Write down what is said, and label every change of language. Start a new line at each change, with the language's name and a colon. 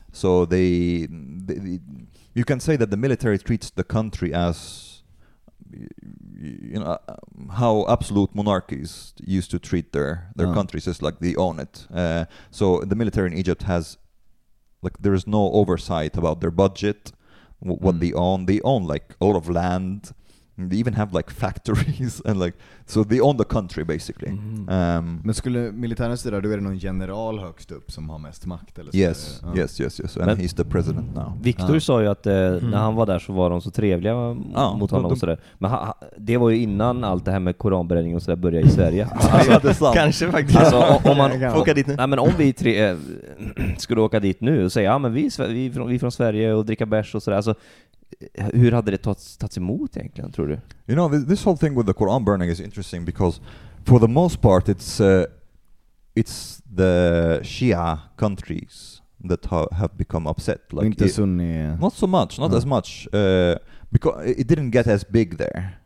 English: So they, you can say that the military treats the country as, you know, how absolute monarchies used to treat their countries. It's like they own it. So the military in Egypt has, like, there is no oversight about their budget. What they own. They own like a lot of land. They even have like factories and like, so they own the country basically. Mm-hmm.
Swedish: Men skulle militären styra, då är det någon general högst upp som har mest makt eller så?
English: Yes. And he's the president now.
Swedish: Victor sa ju att när han var där så var de så trevliga mot honom och sådär. Men det var ju innan allt det här med koranbränning och sådär började i Sverige. Alltså, kanske faktiskt. Alltså, om man åka dit nu. Nej, men om vi skulle åka dit nu och säga, ja, men vi från Sverige och dricka bärs och sådär. Alltså, hur hade det tagits emot egentligen, tror du?
English: You know, this whole thing with the Quran burning is interesting because for the most part it's the Shia countries that have become upset.
Swedish: Like inte Sunni.
English: Not so much, not as much. Because it didn't get as big there.